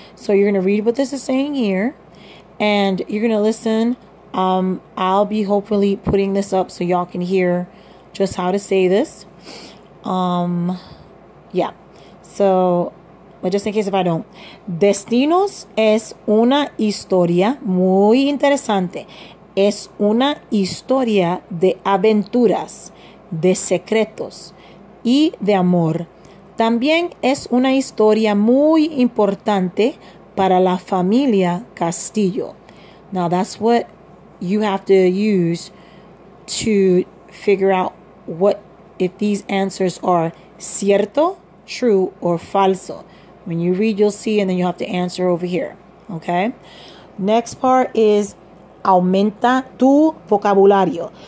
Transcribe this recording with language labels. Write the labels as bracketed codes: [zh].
[en] So you're gonna read what this is saying here, and you're gonna listen. I'll be hopefully putting this up so y'all can hear just how to say this. So, but just in case if I don't. [es] Destinos es una historia muy interesante. Es una historia de aventuras, de secretos y de amor. También es una historia muy importante para la familia Castillo. [en] Now, that's what you have to use to figure out what if these answers are cierto, true, or falso. When you read, you'll see, and then you have to answer over here. Okay, next part is [es] aumenta tu vocabulario.